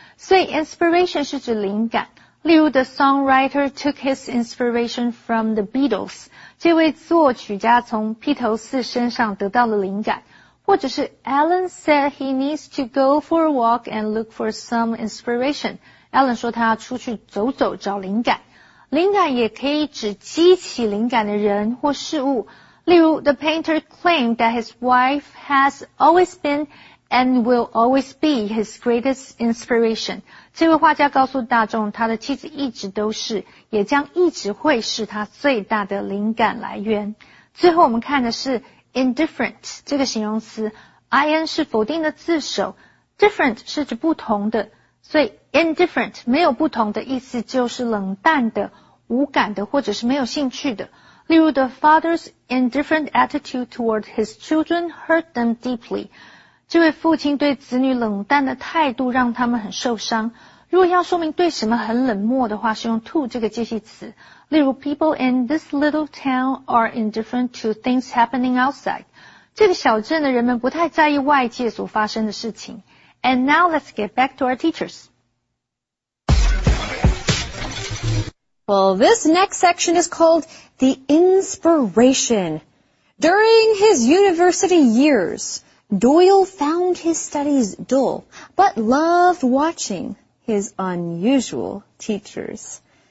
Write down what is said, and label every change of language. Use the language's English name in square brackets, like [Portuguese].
[Chinese] 所以 inspiration 是指灵感，例如 [English] the songwriter took his inspiration from the Beatles， [Chinese] 这位作曲家从披头士身上得到了灵感，或者是 [English] Alan said he needs to go for a walk and look for some inspiration， [Chinese] Alan 说他要出去走走找灵感。灵感也可以指激起灵感的人或事物，例如 [English] the painter claimed that his wife has always beenand will always be his greatest inspiration. [Chinese] 这位画家告诉大众他的妻子一直都是，也将一直会是他最大的灵感来源。最后我们看的是 indifferent 这个形容词， IN 是否定的字首， different 是指不同的，所以 indifferent 没有不同的意思就是冷淡的、无感的或者是没有兴趣的。例如 [English] the father's indifferent attitude toward his children hurt them deeply， [Chinese] 这位父亲对子女冷淡的态度让他们很受伤。如果要说明对什么很冷漠的话，是用 to 这个介系词。例如 [English] People in this little town are indifferent to things happening outside. [Chinese] 这个小镇的人们不太在意外界所发生的事情。 [English] And now let's get back to our teachers. Well, this next section is called The Inspiration. During his university years, Doyle found his studies dull, but loved watching his unusual teachers.